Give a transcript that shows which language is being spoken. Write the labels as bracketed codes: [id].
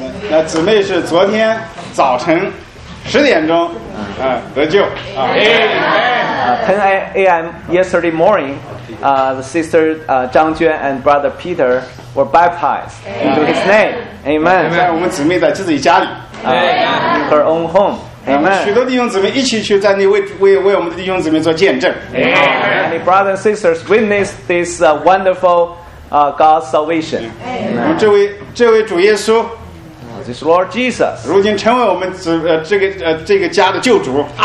[zh] 那姊妹是昨天早晨10点钟。得救 [en] 啊 10 a.m. yesterday morning the sister Zhang Juan and brother Peter were baptized into his name. Amen. [zh] 在我们姊妹的自己家里 [en] her own home. Amen. [zh] 许多弟兄姊妹一起去在那为我们的弟兄姊妹做见证 [en] Many brothers and sisters witnessed this wonderful God's salvation. [zh] 这位主耶稣 [en] This Lord Jesus, [zh] 如今成为我们这个家的救主。